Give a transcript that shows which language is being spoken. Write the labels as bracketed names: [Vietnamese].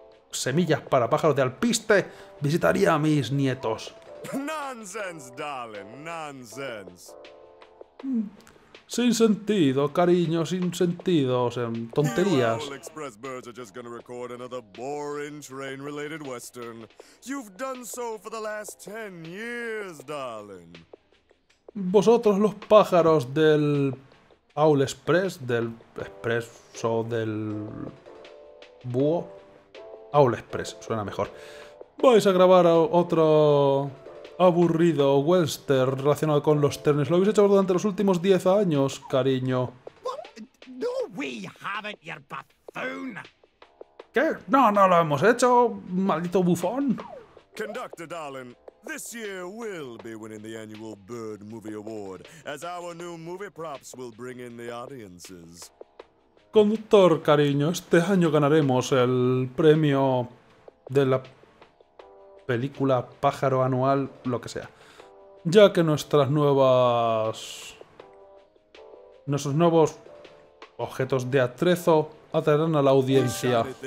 [Spanish] semillas para pájaros de alpiste, visitaría a mis nietos. [English] Nonsense, darling, nonsense. [Spanish] Sin sentido, cariño, sin sentido, o sea, tonterías. [English] All Express Birds are just gonna record another boring train-related western. You've done so for the last 10 years, darling. [Spanish] Vosotros, los pájaros del Owl Express, del expreso del búho. Owl Express, suena mejor. Vais a grabar otro aburrido western relacionado con los trenes. Lo habéis hecho durante los últimos 10 años, cariño. [English] No, we haven't, your buffoon. [Spanish] ¿Qué? No, no lo hemos hecho, maldito bufón. [English] Conductor, darling, this year we'll be winning the annual Bird Movie Award, as our new movie props will bring in the audiences. [Spanish] Conductor, cariño, este año ganaremos el premio de la película pájaro anual, lo que sea. ya que nuestras nuevas... nuestros nuevos objetos de atrezo atraerán a la audiencia.